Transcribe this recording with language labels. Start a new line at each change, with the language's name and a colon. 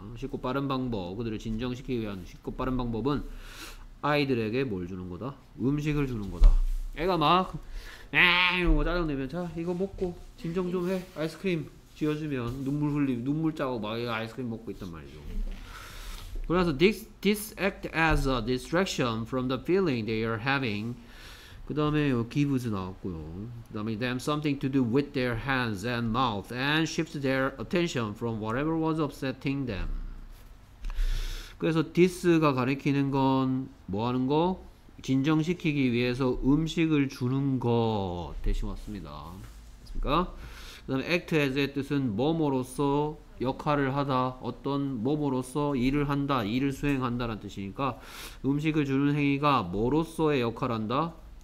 Korean: 쉽고 빠른 방법 그들을 진정시키기 위한 쉽고 빠른 방법은 아이들에게 뭘 주는 거다? 음식을 주는 거다. 애가 막 이러고 짜증내면 자 이거 먹고 진정 좀 해 아이스크림 쥐어주면 눈물 흘리 눈물 짜고 막 아이스크림 먹고 있단 말이죠. 그래서
English: this act as a distraction from the feeling they are having.
Korean: 그 다음에 gives 나왔고요. 그 다음에
English: them something to do with their hands and mouth and shifts their attention from whatever was upsetting them.
Korean: 그래서 this가 가리키는 건 뭐하는 거? 진정시키기 위해서 음식을 주는 것 대신 왔습니다. 그러니까 그 다음에 act as의 뜻은 뭐뭐로서 역할을 하다, 어떤 뭐뭐로서 일을 한다, 일을 수행한다라는 뜻이니까 음식을 주는 행위가 뭐로서의 역할을 한다?